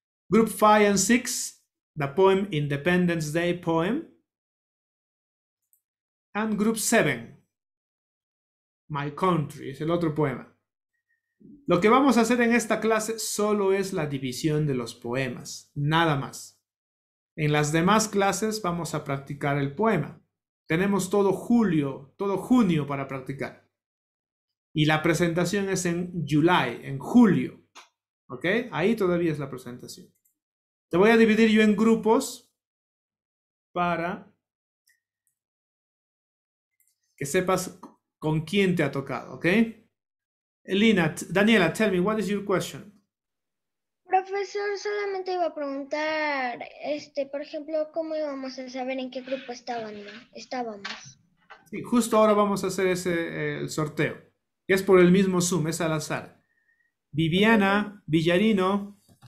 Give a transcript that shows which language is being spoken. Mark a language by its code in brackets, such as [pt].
[en] Group 5 and 6, the poem Independence Day poem. And Group 7, [es] My Country, es el otro poema. Lo que vamos a hacer en esta clase solo es la división de los poemas, nada más. En las demás clases vamos a practicar el poema. Tenemos todo julio, todo junio para practicar. Y la presentación es en July, en julio. ¿Ok? Ahí todavía es la presentación. Te voy a dividir yo en grupos para que sepas con quién te ha tocado, ¿ok? [en] Elina, Daniela, tell me, what is your question? [es] Profesor, solamente iba a preguntar, por ejemplo, ¿cómo íbamos a saber en qué grupo estábamos? Sí, justo ahora vamos a hacer ese el sorteo. Es por el mismo Zoom, es al azar. Viviana, Villarino.